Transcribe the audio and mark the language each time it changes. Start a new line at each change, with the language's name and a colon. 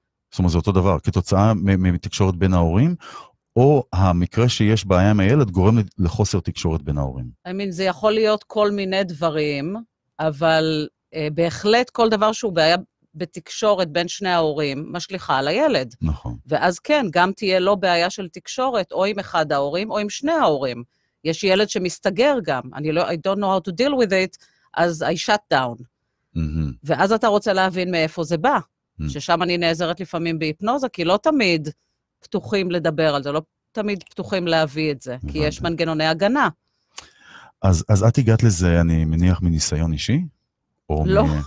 Hebrew: זאת אומרת, זה אותו דבר, כתוצאה מתקשורת בין ההורים, או המקרה שיש בעיה עם הילד גורם לחוסר תקשורת בין ההורים.
English: I mean,
Hebrew: זה יכול להיות כל מיני דברים, אבל בהחלט כל דבר שהוא בעיה בתקשורת בין שני ההורים, משליחה על הילד. נכון. ואז כן, גם תהיה לו בעיה של תקשורת, או עם אחד ההורים, או עם שני ההורים. יש ילד שמסתגר גם, אני לא,
English: I don't know how to deal with it,
Hebrew: אז
English: I shut down. Mm-hmm.
Hebrew: ואז אתה רוצה להבין מאיפה זה בא, mm-hmm. ששם אני נעזרת לפעמים בהיפנוזה, כי לא תמיד... פתוחים לדבר על זה, לא תמיד פתוחים להביא את זה, כי יש מנגנוני הגנה. אז את הגעת לזה, אני מניח, מניסיון אישי? לא.